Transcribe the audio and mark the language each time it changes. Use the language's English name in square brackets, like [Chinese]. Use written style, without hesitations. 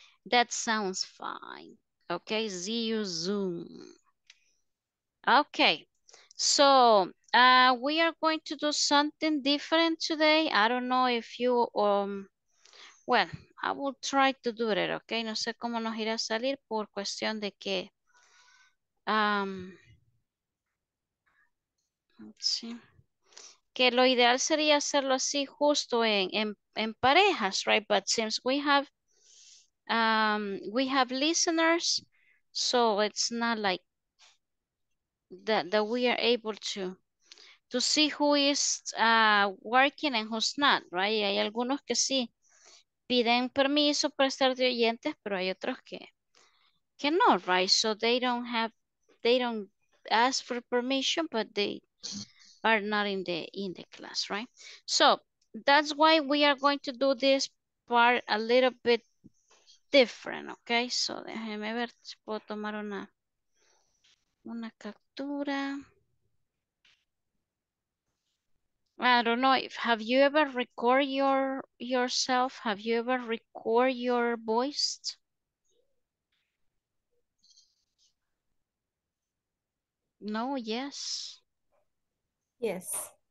[English] That sounds fine. Okay, see you soon. Okay, so we are going to do something different today. I don't know if you, well, I will try to do it, okay? [Spanish] No sé cómo nos irá a salir por cuestión de que, [English] let's see, [Spanish] que lo ideal sería hacerlo así justo en parejas, right? [English] But since we have listeners, so it's not like that we are able to see who is working and who's not, right? [Spanish] Hay algunos que sí piden permiso para estar de oyentes, pero hay otros que no, right? [English] So they don't ask for permission, but they are not in the class, right? So that's why we are going to do this part a little bit different, okay? [Spanish] So déjeme ver si puedo tomar una captura. [English] I don't know if have you ever record yourself? Have you ever record your voice? No, yes. Yes.